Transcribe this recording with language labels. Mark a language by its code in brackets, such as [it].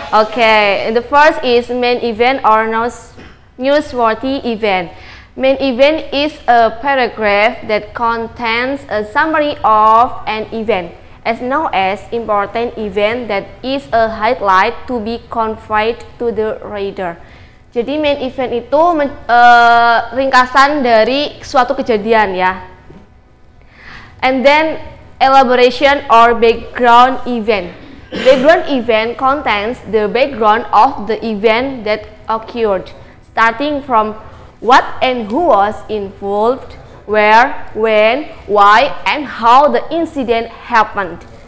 [en] okay, and the first is main event or newsworthy event. Main event is a paragraph that contains a summary of an event, as known as important event that is a highlight to be conveyed to the reader. [id] Jadi main event itu ringkasan dari suatu kejadian ya. [en] And then elaboration or background event. Background event contains the background of the event that occurred, starting from what and who was involved, where, when, why, and how the incident happened.